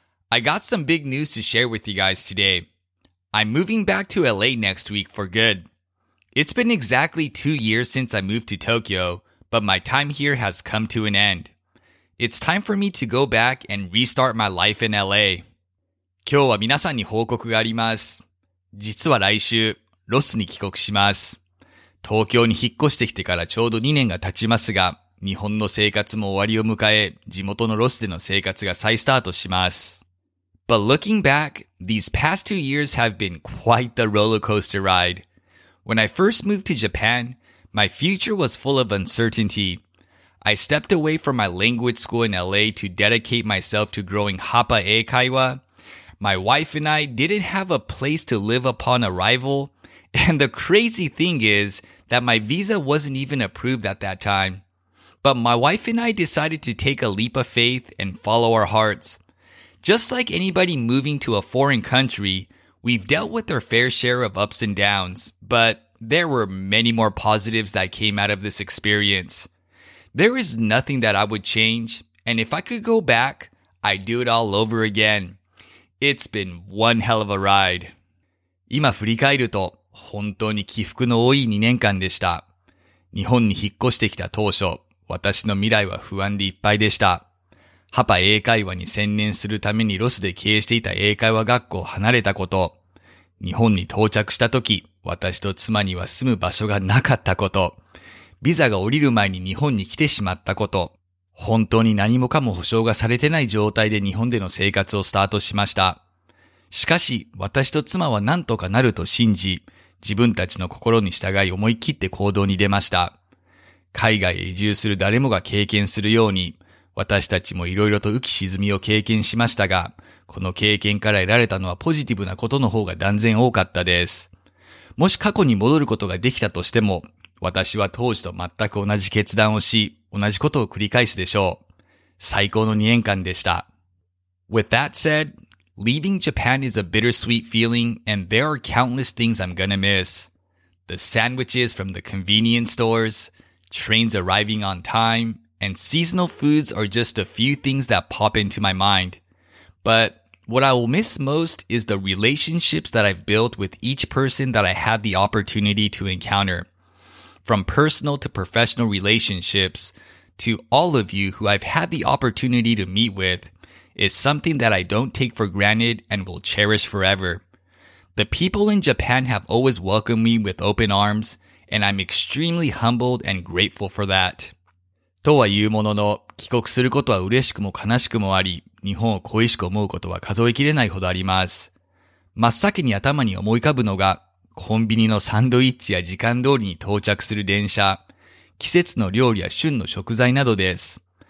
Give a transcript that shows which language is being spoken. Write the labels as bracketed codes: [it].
[en] I got some big news to share with you guys today. I'm moving back to LA next week for good. It's been exactly 2 years since I moved to Tokyo, but my time here has come to an end. It's time for me to go back and restart my life in LA. [ja] 今日は皆さんに報告があります。実は来週、ロスに帰国します。東京に引っ越してきてからちょうど2年が経ちますが、日本の生活も終わりを迎え、地元のロスでの生活が再スタートします。 [en] But looking back, these past 2 years have been quite the roller coaster ride. When I first moved to Japan, my future was full of uncertainty. I stepped away from my language school in LA to dedicate myself to growing Hapae Kaiwa. My wife and I didn't have a place to live upon arrival. And the crazy thing is that my visa wasn't even approved at that time. But my wife and I decided to take a leap of faith and follow our hearts. Just like anybody moving to a foreign country, we've dealt with our fair share of ups and downs, but there were many more positives that came out of this experience. There is nothing that I would change, and if I could go back, I'd do it all over again. It's been one hell of a ride. [ja] 今振り返ると、本当に起伏の多い2年間でした。日本に引っ越してきた当初、私の未来は不安でいっぱいでした。ハパ英会話に専念するためにロスで経営していた英会話学校を離れたこと、日本に到着した時、私と妻には住む場所がなかったこと、ビザが降りる前に日本に来てしまったこと、本当に何もかも保証がされてない状態で日本での生活をスタートしました。しかし、私と妻は何とかなると信じ、自分たちの心に従い思い切って行動に出ました。海外へ移住する誰もが経験するように、私たちもいろいろと浮き沈みを経験しましたが、この経験から得られたのはポジティブなことの方が断然多かったです。もし過去に戻ることができたとしても、私は当時と全く同じ決断をし、同じことを繰り返すでしょう。最高の2年間でした。 [en] With that said, leaving Japan is a bittersweet feeling and there are countless things I'm gonna miss. The sandwiches from the convenience stores, trains arriving on time, and seasonal foods are just a few things that pop into my mind. But what I will miss most is the relationships that I've built with each person that I had the opportunity to encounter. From personal to professional relationships, to all of you who I've had the opportunity to meet with, is something that I don't take for granted and will cherish forever. The people in Japan have always welcomed me with open arms, and I'm extremely humbled and grateful for that. [ja] とは言うものの、帰国することは嬉しくも悲しくもあり、日本を恋しく思うことは数え切れないほどあります。真っ先に頭に思い浮かぶのが、コンビニのサンドイッチや時間通りに到着する電車、季節の料理や旬の食材などです。